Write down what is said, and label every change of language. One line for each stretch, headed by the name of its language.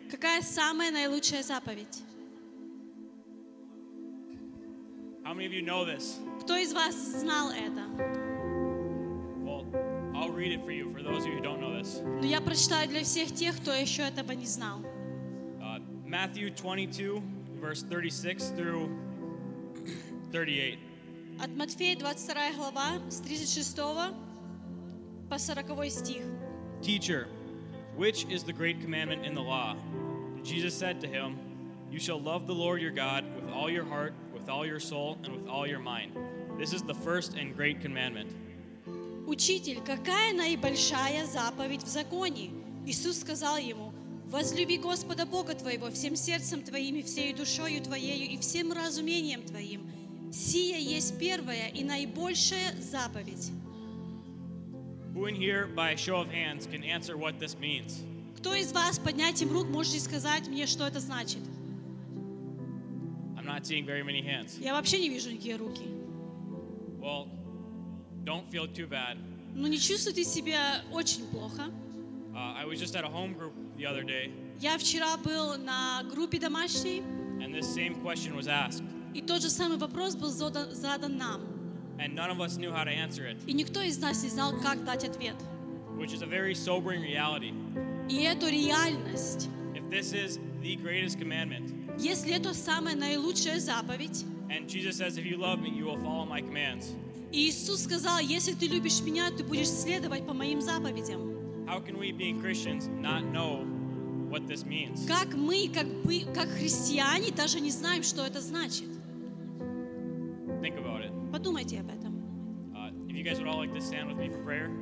Russian: Какая самая наилучшая заповедь?
English: How many of you know this?
Russian: Кто из вас знал это?
English: Well, I'll read it for you, for those of you who don't know this.
Russian: Но я прочитаю для всех тех, кто еще этого не знал.
English: Matthew 22, verse 36 through 38.
Russian: От Матфея 22 глава, с 36 по 40 стих.
English: Teacher, which is the great commandment in the law? Jesus said to him, You shall love the Lord your God with all your heart, with all your soul, and with all your mind. This is the first and great commandment.
Russian: Учитель, какая наибольшая заповедь в законе? Иисус сказал ему, Возлюби Господа Бога твоего всем сердцем твоим и всей душою твоею и всем разумением твоим. Сия есть первая и наибольшая заповедь.
English: Who in here, by a show of hands, can answer what this means?
Russian: Кто из вас поднятием рук можете сказать мне, что это значит?
English: I'm not seeing very many hands.
Russian: Я вообще не вижу никакие руки.
English: Well, don't feel too bad.
Russian: Ну не чувствуйте себя очень плохо.
English: I was just at a home group the other day.
Russian: Я вчера был на группе домашней.
English: And this same question was asked.
Russian: И тот же самый вопрос был задан нам.
English: And none of us knew how to answer it.
Russian: И никто из нас не знал, как дать ответ.
English: Which is a very sobering reality.
Russian: И это реальность.
English: If this is the greatest commandment.
Russian: Если это самая наилучшая заповедь.
English: And Jesus says, if you love me, you will follow my commands.
Russian: И Иисус сказал, если ты любишь меня, ты будешь следовать по моим заповедям.
English: How can we, being Christians, not know what this means?
Russian: Как мы, как христиане, даже не знаем, что это значит?
English: Think about it.
Russian: Подумайте об этом.
English: If you guys would all like to stand with me for prayer.